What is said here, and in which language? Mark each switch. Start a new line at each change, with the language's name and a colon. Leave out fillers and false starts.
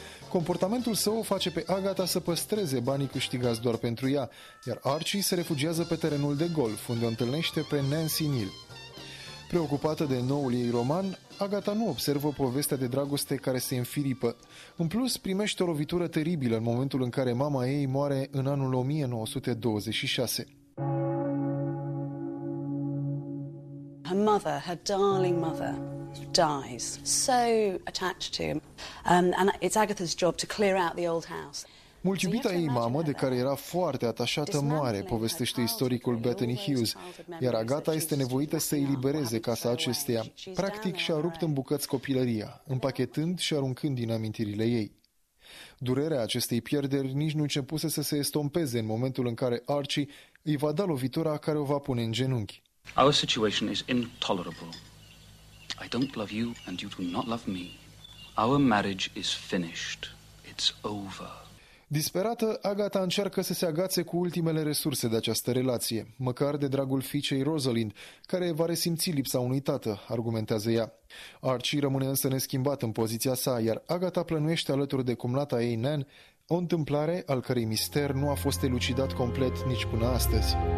Romanian: Comportamentul său o face pe Agatha să păstreze banii câștigați doar pentru ea, iar Archie se refugiază pe terenul de golf, unde o întâlnește pe Nancy Neal. Preocupată de noul ei roman, Agatha nu observă povestea de dragoste care se înfiripă. În plus, primește o lovitură teribilă în momentul în care mama ei moare în anul 1926.
English: Her mother, her darling mother, dies, so attached to him. And it's Agatha's job to clear out the old house.
Romanian: Mulțumită ei mamă, de care era foarte atașată, moare, povestește istoricul Bethany Hughes, iar Agatha este nevoită să îi libereze casa acesteia. Practic și-a rupt în bucăți copilăria, împachetând și aruncând din amintirile ei. Durerea acestei pierderi nici nu începuse să se estompeze în momentul în care Archie îi va da lovitura care o va pune în genunchi.
English: Our situation is intolerable. I don't love you and you do not love me. Our marriage is finished. It's over.
Romanian: Disperată, Agatha încearcă să se agațe cu ultimele resurse de această relație, măcar de dragul fiicei Rosalind, care va resimți lipsa unui tată, argumentează ea. Archie rămâne însă neschimbat în poziția sa, iar Agatha plănuiește alături de cumnata ei, Nan, o întâmplare al cărei mister nu a fost elucidat complet nici până astăzi.